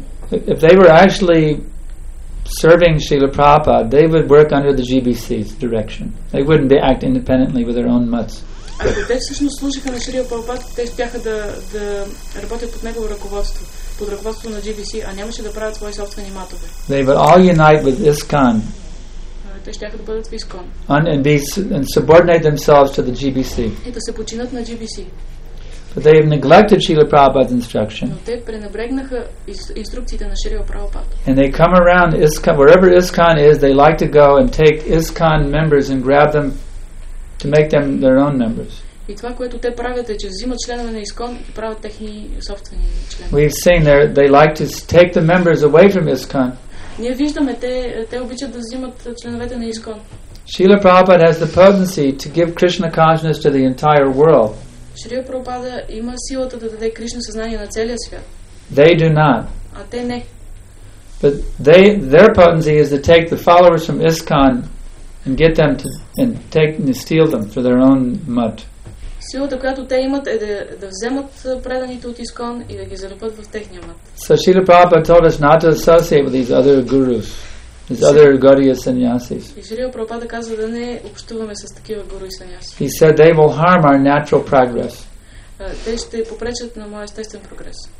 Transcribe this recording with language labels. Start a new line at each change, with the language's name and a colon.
English: If they were actually serving Srila Prabhupada, they would work under the GBC's direction. They wouldn't be acting independently with their own mutts.
Bulgarian: Ако те всъщност служиха на Шрила Прабхупада, те щяха да работят под негово ръководство, под ръководство на GBC, а нямаше да правят свои собствени матове.
English: They would all unite with ISKCON.
Bulgarian: Те щяха да бъдат в ISKCON.
English: And subordinate themselves to the GBC.
Bulgarian: И да се подчинят на GBC.
English: But they have neglected Srila Prabhupada's instruction.
Bulgarian: Но те пренебрегнаха инструкциите на Шрила Прабхупада.
English: And they come around ISKCON, wherever ISKCON is, they like to go and take ISKCON members and grab them to make them their own members.
Bulgarian: И това, което те правят, е, че взимат членове на ISKCON и правят техни собствени членове.
English: We've seen they like to take the members away from ISKCON.
Bulgarian: Ние виждаме, те обичат да взимат членовете на ISKCON.
English: Srila Prabhupada has the potency to give Krishna consciousness to the entire world.
Bulgarian: Шрила Прабхупада има силата да даде Кришна съзнание на целия свят.
English: They do not.
Bulgarian: А те не.
English: But their potency is to take the followers from ISKCON and get them to steal them for their own mud.
Bulgarian: Силата, която те имат, е да вземат преданите от ISKCON и да ги залепят в техния мъд.
English: So Srila Prabhupada told us not to associate with these other gurus, these other Gaudiya sannyasis.
Bulgarian: И Шрила Прабхупада казва да не общуваме с такива гуру и санняси.
English: He said they will harm our natural progress.
Bulgarian: Те ще попречат на моя естествен прогрес.